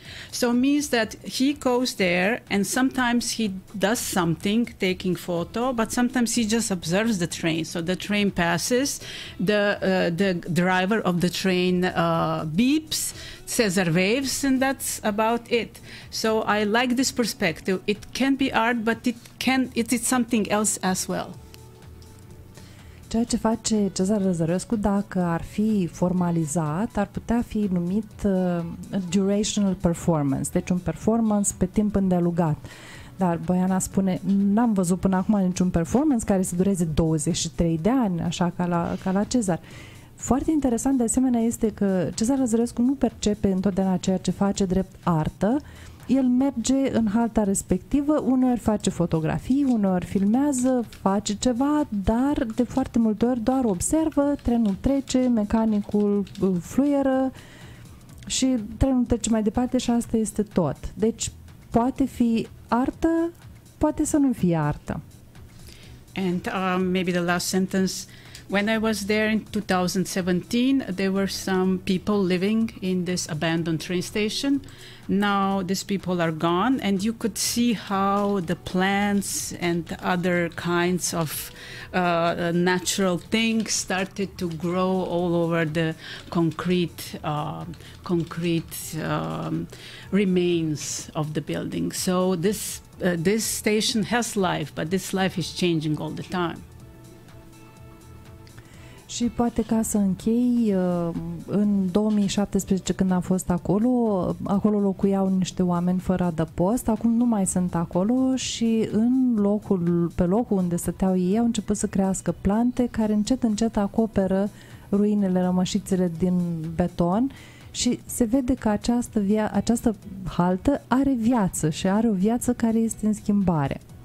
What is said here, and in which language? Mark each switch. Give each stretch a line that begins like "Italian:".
English: So it means that he goes there and sometimes he does something, taking photo, but sometimes he just observes the train. So the train passes, the driver of the train beeps, says waves, and that's about it. So I like this perspective. It can be art, but it's something else as well.
Romanian: Ceea ce face Cezar Lăzărescu, dacă ar fi formalizat, ar putea fi numit
English: durational performance,
Romanian: deci un performance pe timp îndelungat. Dar Boiana spune, n-am văzut până acum niciun performance care să dureze 23 de ani, așa ca la Cezar. Foarte interesant de asemenea este că Cezar Lăzărescu nu percepe întotdeauna ceea ce face drept artă. El merge în halta respectivă, uneori face fotografii, uneori filmează, face ceva, dar de foarte multe ori doar observă, trenul trece, mecanicul fluieră și trenul trece mai departe și asta este tot. Deci poate fi artă, poate să nu fie artă.
English: And maybe the last sentence. When I was there in 2017, there were some people living in this abandoned train station. Now these people are gone, and you could see how the plants and other kinds of natural things started to grow all over the concrete remains of the building. So this station has life, but this life is changing all the time.
Romanian: Și poate ca să închei, în 2017 când am fost acolo, acolo locuiau niște oameni fără adăpost, acum nu mai sunt acolo și pe locul unde stăteau ei au început să crească plante care încet încet acoperă ruinele, rămășițele din beton și se vede că această haltă are viață și are o viață care este în schimbare.